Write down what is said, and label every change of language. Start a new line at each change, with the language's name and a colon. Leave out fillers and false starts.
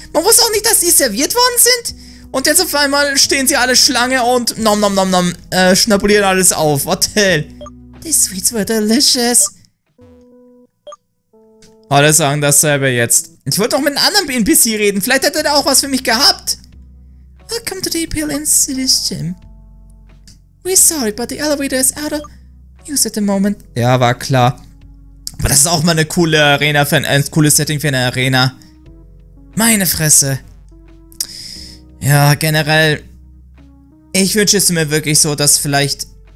German: Man wusste auch nicht, dass sie serviert worden sind? Und jetzt auf einmal stehen sie alle Schlange und nom nom nom nom, schnabulieren alles auf.
English: What the hell? These sweets were delicious.
German: Alle sagen dasselbe jetzt. Ich wollte doch mit einem anderen NPC reden. Vielleicht hätte er auch was für mich gehabt.
English: Welcome to the Appealing City's Gym. We're sorry, but the elevator is out of use at the moment.
German: Ja, war klar. Aber das ist auch mal eine coole Arena, für ein cooles Setting für eine Arena. Meine Fresse. Ja, generell. Ich wünsche es mir wirklich so, dass vielleicht.